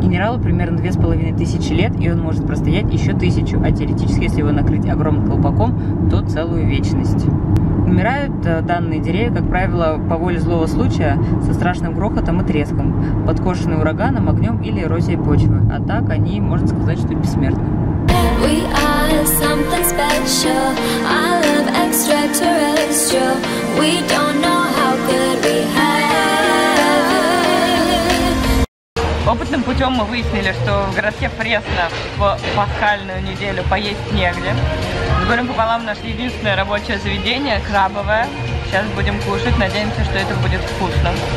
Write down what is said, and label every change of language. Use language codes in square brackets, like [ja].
[ru] Генералу примерно 2500 лет, и он может простоять еще 1000, а теоретически, если его накрыть огромным колпаком, то целую вечность. Умирают данные деревья, как правило, по воле злого случая, со страшным грохотом и треском, подкошены ураганом, огнем или эрозией почвы. А так они, можно сказать, что бессмертны. [en] We are something special. I love extraterrestrial. We don't know how good we have. [ru] Опытным путем мы выяснили, что в городке Фресно в пасхальную неделю поесть негде. С горем пополам наше единственное рабочее заведение – крабовое. Сейчас будем кушать. Надеемся, что это будет вкусно.